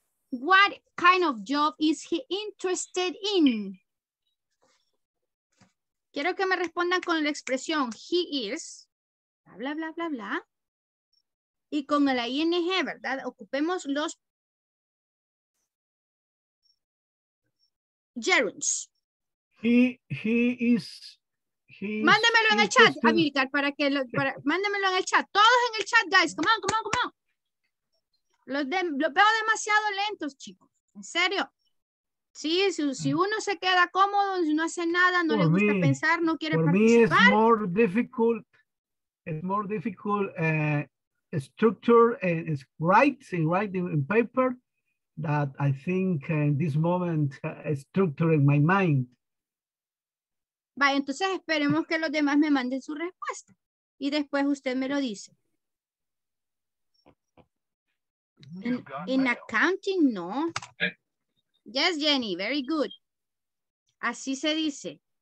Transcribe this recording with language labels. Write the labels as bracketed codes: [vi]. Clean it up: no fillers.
[en] What kind of job is he interested in? [es] Quiero que me respondan con la expresión [en] he is, [es] bla, bla, bla, bla, bla. Y con el ing, ¿verdad? Ocupemos los gerunds. [en] He is. [es] Mándamelo en el chat, Amílcar, mándamelo en el chat. Todos en el chat, [en] guys. Come on, come on, come on. [es] Los veo demasiado lentos, chicos. En serio. Sí, si uno se queda cómodo, si no hace nada, no le gusta pensar, no quiere participar. [en] It's more difficult. It's more difficult. Structure and it's writing in paper that I think in this moment structuring my mind. [es] Vaya, entonces esperemos que los demás me manden su respuesta y después usted me lo dice. [en] In accounting, no. Yes, Jenny, very good. [es] Así se dice.